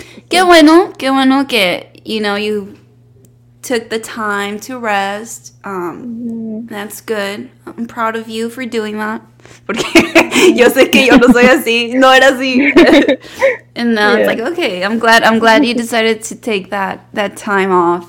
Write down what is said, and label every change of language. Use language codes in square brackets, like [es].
[es] Qué bueno que, [en] you know, you took the time to rest. That's good. I'm proud of you for doing that. [es] Porque yo sé que yo no soy así. No era así. [en] And now it's like, okay, I'm glad you decided to take that time off.